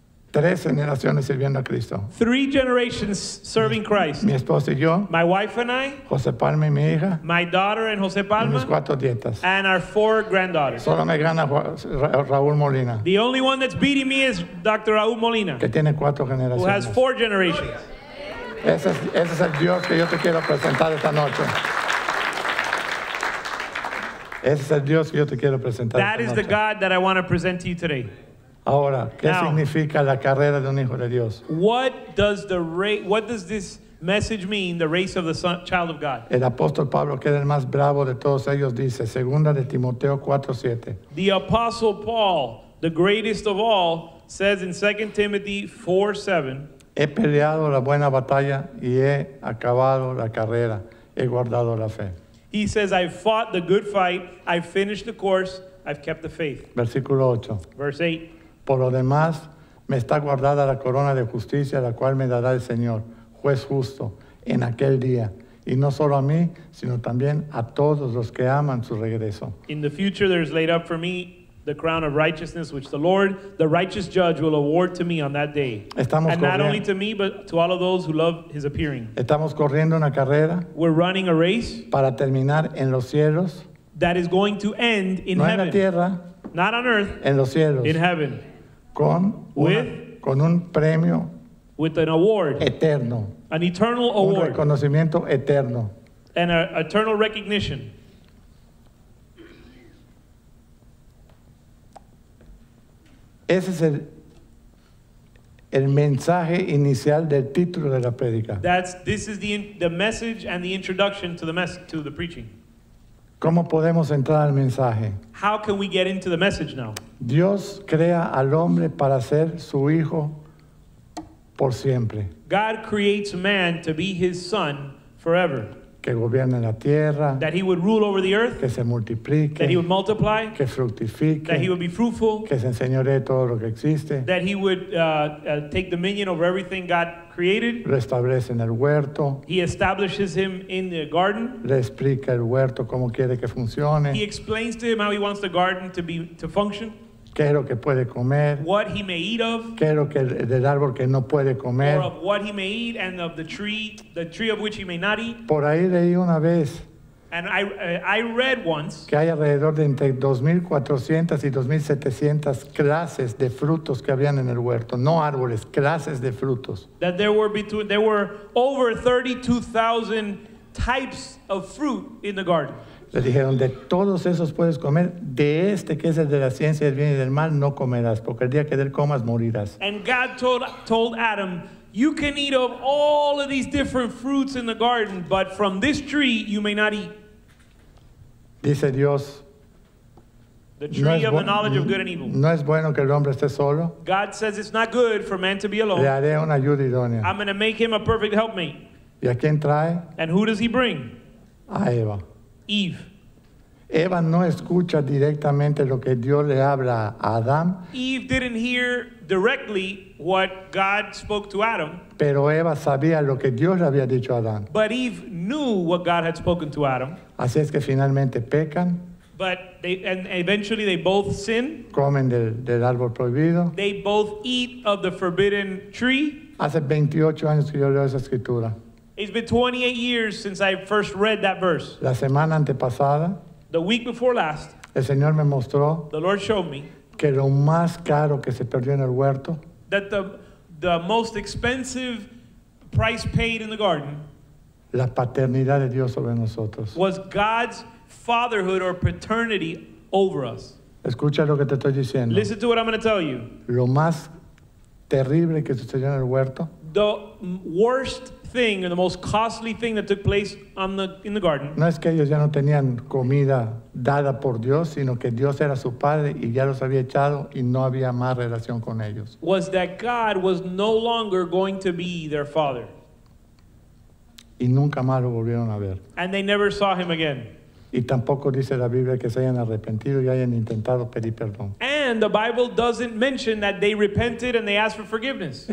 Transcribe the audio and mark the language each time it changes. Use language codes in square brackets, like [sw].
[es] Tres generaciones sirviendo a Cristo. [en] Three generations serving Christ. [es] Mi esposa y yo. [en] My wife and I. [es] José Palma y mi hija. [en] My daughter and José Palma. [es] Y mis cuatro nietas. [en] And our four granddaughters. [es] Solo me gana Raúl Molina. [en] The only one that's beating me is Dr. Raúl Molina. [es] Que tiene cuatro generaciones. [en] Who has four generations. [es] Ese es el Dios que yo te quiero presentar esta noche. Ese es el Dios que yo te quiero presentar esta noche. [en] That is the God that I want to present to you today. [es] Ahora, ¿qué significa la carrera de un hijo de Dios? [en] What does this message mean, the race of the son, child of God? [es] El apóstol Pablo, que era el más bravo de todos ellos, dice, 2 Timoteo 4:7. [en] The apostle Paul, the greatest of all, says in 2 Timothy 4:7. [es] He peleado la buena batalla y he acabado la carrera. He guardado la fe. [en] He says, I fought the good fight, I finished the course, I've kept the faith. [es] Versículo 8. [en] Verse 8. [es] Por lo demás, me está guardada la corona de justicia, la cual me dará el Señor, juez justo, en aquel día. Y no solo a mí, sino también a todos los que aman su regreso. [en] In the future, there is laid up for me the crown of righteousness, which the Lord, the righteous judge, will award to me on that day. [es] Estamos [en] and [es] corriendo. [en] Not only to me, but to all of those who love his appearing. [es] Estamos corriendo una carrera. [en] We're running a race. [es] Para terminar en los cielos. [en] That is going to end in [es] no [en] heaven. [es] En la tierra. [en] Not on earth, [es] en los cielos, [en] in heaven, [es] con un premio, [en] with an award, [es] eterno, [en] an eternal award, [es] un reconocimiento eterno, [en] and an eternal recognition. [es] Ese es el, el mensaje inicial del título de la prédica. [en] This is the message and the introduction to the message, to the preaching. [es] ¿Cómo podemos entrar al mensaje? [en] How can we get into the message now? [es] Dios crea al hombre para ser su hijo por siempre. [en] God creates man to be his son forever. [es] Que gobierne la tierra. [en] That he would rule over the earth. [es] Que se multiplique. [en] That he would multiply. [es] Que fructifique. [en] That he would be fruitful. [es] Que se enseñoree todo lo que existe. [en] That he would take dominion over everything God created. [es] Restablece en el huerto. [en] He establishes him in the garden. [es] Le explica el huerto cómo quiere que funcione. [en] He explains to him how he wants the garden to function. [es] Qué es lo que puede comer. [en] What he may eat of. [es] Qué es lo que del árbol que no puede comer. [en] Or of what he may eat and of the tree of which he may not eat. [es] Por ahí leí una vez. [en] And I read once. [es] Que hay alrededor de entre 2,400 y 2,700 clases de frutos que habían en el huerto. No árboles, clases de frutos. [en] That there were over 32,000 types of fruit in the garden. [es] Le dijeron, de todos esos puedes comer, de este que es el de la ciencia del bien y del mal, no comerás, porque el día que del comas, morirás. [en] And God told Adam, you can eat of all of these different fruits in the garden, but from this tree you may not eat. [es] Dice Dios, [en] the tree [es] no es [en] of the knowledge of good and evil. [es] No es bueno que el hombre esté solo. [en] God says it's not good for man to be alone. [es] Le haré una ayuda idónea. [en] I'm going to make him a perfect helpmate. [es] ¿Y a quién trae? [en] And who does he bring? [es] A Eva. [en] Eve. [es] Eva no escucha directamente lo que Dios le habla a Adam. [en] Eve didn't hear directly what God spoke to Adam. [es] Pero Eva sabía lo que Dios le había dicho a Adam. [en] But Eve knew what God had spoken to Adam. [es] Así es que finalmente pecan. [en] But they, and eventually they both sin. [es] Comen del árbol prohibido. [en] They both eat of the forbidden tree. [es] Hace 28 años que yo leo esa escritura. [en] It's been 28 years since I first read that verse. [es] La semana antepasada, [en] the week before last, [es] el Señor me mostró, [en] the Lord showed me, [es] que lo más caro que se perdió en el huerto, [en] that the most expensive price paid in the garden, [es] la paternidad de Dios sobre nosotros, [en] was God's fatherhood or paternity over us. [es] Escucha lo que te estoy diciendo. [en] Listen to what I'm going to tell you. [es] Lo más terrible que sucedió en el huerto, [en] the worst thing or the most costly thing that took place in the garden. [es] No es que ellos ya no tenían comida dada por Dios, sino que Dios era su padre y ya los había echado y no había más relación con ellos. [en] Was that God was no longer going to be their father. [es] Y nunca más lo volvieron a ver. [en] And they never saw him again. [es] Y tampoco dice la Biblia que se hayan arrepentido y hayan intentado pedir perdón. [en] And the Bible doesn't mention that they repented and they asked for forgiveness.